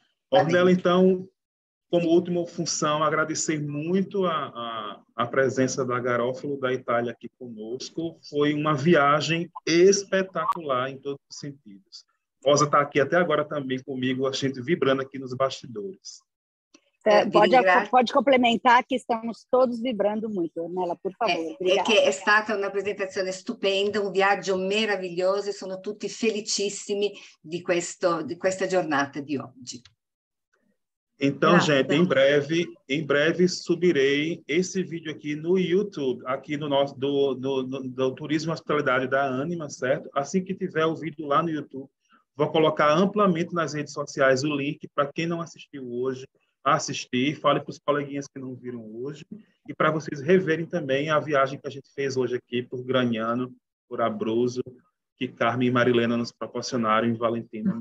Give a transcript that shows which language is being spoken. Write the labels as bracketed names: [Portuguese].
[Portuguese] Ornella, então, como última função, agradecer muito a presença da Garofalo da Itália aqui conosco. Foi uma viagem espetacular em todos os sentidos. Rosa está aqui até agora também comigo, a gente vibrando aqui nos bastidores. Pode complementar que estamos todos vibrando muito, Ornella, por favor. É que é [Italian] stata una presentazione stupenda, un viaggio meraviglioso, e sono tutti felicissimi di questa giornata di oggi. [Portuguese] Então, graças. Gente, em breve subirei esse vídeo aqui no YouTube, aqui no nosso do Turismo e Hospitalidade da Ânima, certo? Assim que tiver o vídeo lá no YouTube, vou colocar amplamente nas redes sociais o link para quem não assistiu hoje assistir, fale para os coleguinhas que não viram hoje e para vocês reverem também a viagem que a gente fez hoje aqui por Gragnano, por Abruzzo, que Carmen e Marilena nos proporcionaram em Valentina.